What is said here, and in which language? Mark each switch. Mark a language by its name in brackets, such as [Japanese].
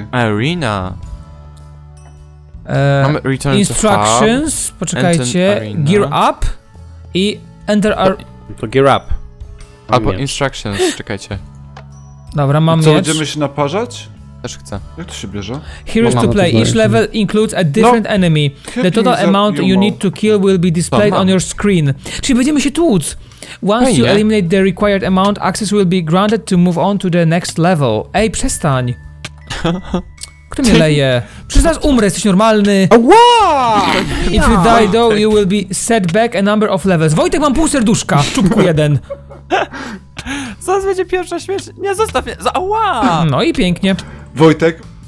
[English] Okay. Arena. [Polish] Mamy [English] instructions, [Polish] poczekajcie, [English] gear up i enter our... To gear up. [Polish] Albo instructions, czekajcie. Dobra, mam co, miecz. Co, będziemy się naparzać? Też chcę. Jak to się bierze? [English] Heroes to play. Each level includes a different enemy. The total amount you need to kill will be displayed on your screen. [Polish] Czyli będziemy się tłuc. [English] Once you eliminate the required amount, access will be granted to move on to the next level. [Polish] Ej, przestań. Kto mnie leje? Przecież zaraz umrę, jesteś normalny. [English] If you die though, you will be set back a number of levels. [Polish] Wojtek, mam pół serduszka, w czubku jeden. Zaraz będzie pierwsza śmierć. Nie, zostaw mnie. No i pięknie. Wojtek.